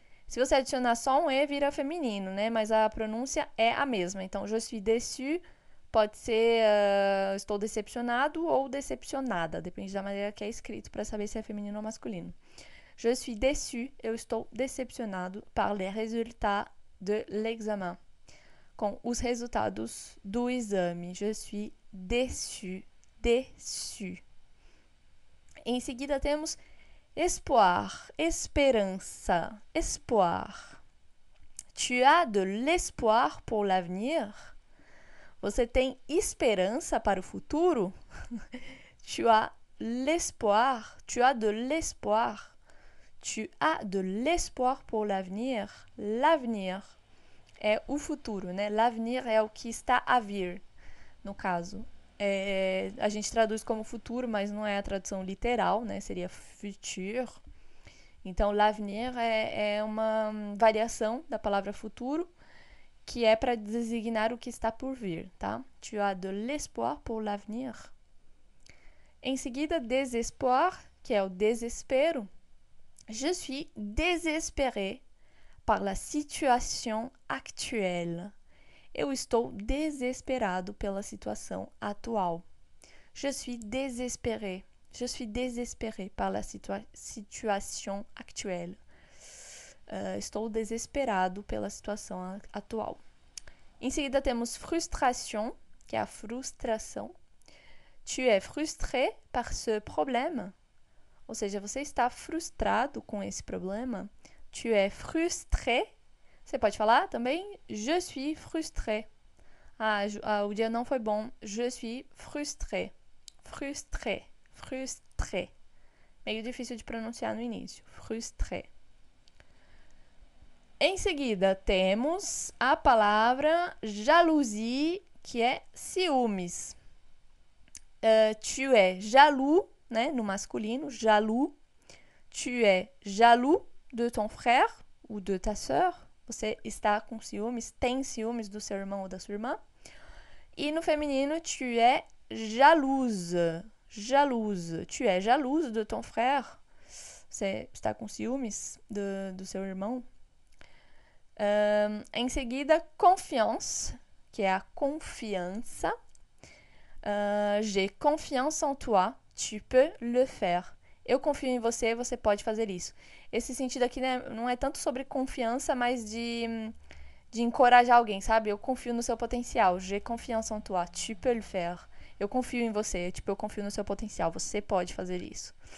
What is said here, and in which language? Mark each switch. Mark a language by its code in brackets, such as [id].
[pt] Se você adicionar só um E, vira feminino, né? Mas a pronúncia é a mesma. Então, [fr] je suis déçu [pt] pode ser estou decepcionado ou decepcionada. Depende da maneira que é escrito para saber se é feminino ou masculino. [fr] Je suis déçu, [pt] eu estou decepcionado [fr] par les résultats de l'examen. [pt] Com os resultados do exame. [fr] Je suis déçu, déçu. [pt] Em seguida, temos espoir, esperança, espoir. [fr] Tu as de l'espoir pour l'avenir? [pt] Você tem esperança para o futuro? [fr] Tu as l'espoir, tu as de l'espoir. Tu as de l'espoir pour l'avenir? [pt] L'avenir é o futuro, né? L'avenir é o que está a vir, no caso. É, a gente traduz como futuro, mas não é a tradução literal, né? Seria futur. Então, l'avenir é uma variação da palavra futuro, que é para designar o que está por vir, tá? [fr] Tu as de l'espoir pour l'avenir. [pt] Em seguida, désespoir, que é o desespero. [fr] Je suis désespéré par la situation actuelle. [pt] Eu estou desesperado pela situação atual. [fr] Je suis désespéré. Je suis désespéré par la situation actuelle. [pt] Estou desesperado pela situação atual. Em seguida, temos frustration, que é a frustração. [fr] Tu es frustré par ce problème. [pt] Ou seja, você está frustrado com esse problema. [fr] Tu es frustré. [pt] Você pode falar também, [fr] je suis frustré. [pt] Ah, o dia não foi bom. [fr] Je suis frustré. Frustré. Frustré. [pt] Meio difícil de pronunciar no início. Frustré. Em seguida, temos a palavra jalousie, que é ciúmes. [fr] Tu es jaloux, [pt] né, no masculino, [fr] jaloux. Tu es jaloux de ton frère ou de ta sœur. [pt] Você está com ciúmes, tem ciúmes do seu irmão ou da sua irmã. E no feminino, [fr] tu es jalouse. Jalouse. Tu es jalouse de ton frère. [pt] Você está com ciúmes do seu irmão. Em seguida, confiance, que é a confiança. [fr] J'ai confiance en toi, tu peux le faire. [pt] Eu confio em você, você pode fazer isso. Esse sentido aqui, né, não é tanto sobre confiança, mas de encorajar alguém, sabe? Eu confio no seu potencial. [fr] J'ai confiance en toi, tu peux le faire. [pt] Eu confio em você, tipo, eu confio no seu potencial, você pode fazer isso.